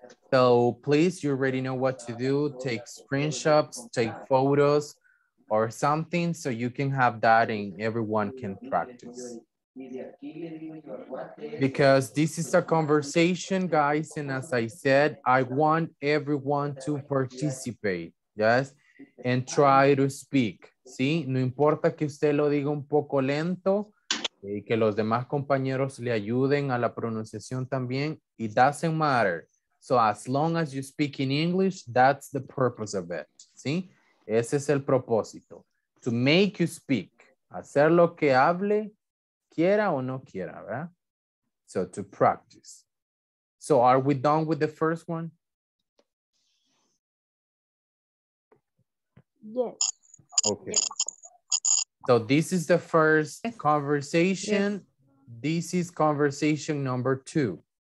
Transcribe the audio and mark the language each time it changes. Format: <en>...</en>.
<en>So please, you already know what to do, take screenshots, take photos or something so you can have that and everyone can practice. Because this is a conversation, guys, and as I said, I want everyone to participate, yes? And try to speak, ¿sí?</en> <es>No importa que usted lo diga un poco lento y que los demás compañeros le ayuden a la pronunciación también.</es> <en>It doesn't matter. So as long as you speak in English, that's the purpose of it, ¿sí?</en> <es>Ese es el propósito.</es> <en>To make you speak.</en> <es>Hacer lo que hable, quiera o no quiera, ¿verdad?</es> <en>So to practice. So are we done with the first one? Yes. Okay. So this is the first conversation. Yes. This is conversation number two.</en>